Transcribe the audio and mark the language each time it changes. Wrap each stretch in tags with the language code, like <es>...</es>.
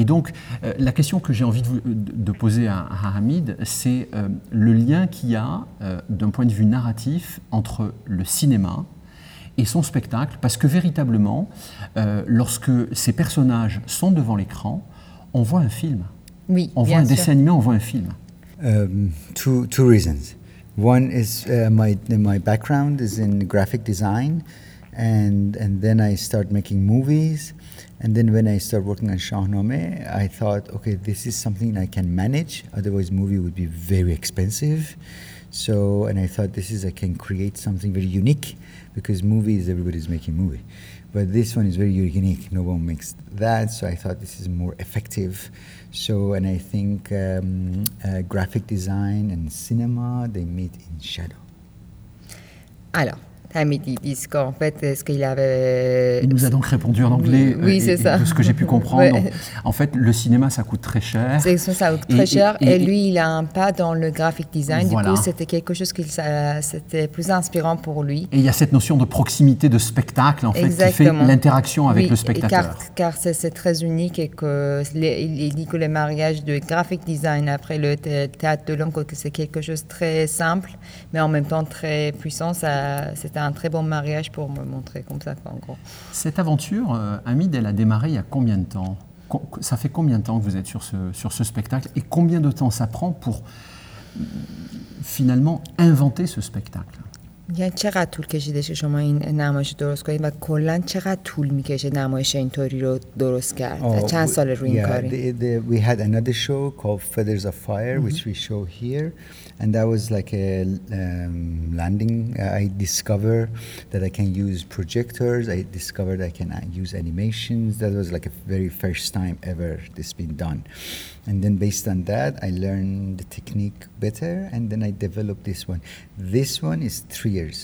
<fr>Et donc, la question que j'ai envie de poser à Hamid, c'est le lien qu'il y a, d'un point de vue narratif, entre le cinéma et son spectacle. Parce que véritablement, lorsque ces personnages sont devant l'écran, on voit un film. Oui, on voit un dessin animé, on voit un film.</fr> <en>Two reasons. One is my background is in graphic design, and then I start making movies. And then when I started working on Shahnameh, I thought, okay, this is something I can manage. Otherwise, movie would be very expensive. So, and I thought I can create something very unique, because movies, everybody's making movie. But this one is very unique. No one makes that. So I thought this is more effective. So, and I think graphic design and cinema, they meet in shadow.</en> <fr>Alors. Hamid, ils disent qu'en fait, est-ce qu'il avait... Il nous a donc répondu en anglais, c'est ça. De ce que j'ai pu comprendre. Ouais. En fait, le cinéma, ça coûte très cher. Et lui, il a un pas dans le graphic design. Voilà. Du coup, c'était quelque chose qui c'était plus inspirant pour lui. Et il y a cette notion de proximité, de spectacle, en fait. Exactement. Qui fait l'interaction avec le spectateur. Car c'est très unique, et qu'il dit que le mariage de graphic design après le théâtre de l'ombre, que c'est quelque chose de très simple, mais en même temps très puissant, c'était un très bon mariage pour me montrer comme ça, en gros. Cette aventure, Hamid, elle a démarré il y a combien de temps? Ça fait combien de temps que vous êtes sur ce spectacle? Et combien de temps ça prend pour, finalement, inventer ce spectacle?</fr> <fa>یعنی چقدر طول کشیده شما این نمایش درست کنید و کلا چقدر طول میکشه نمایش اینطوری رو درست کرد چند سال روی این کاری</fa> <en>we had another show called Feathers of Fire mm-hmm. which we show here and that was like a landing I discovered that I can use projectors I discovered I can use animations that was like a very first time ever this been done and then based on that I learned the technique better and then I developed this one is 3 years</en>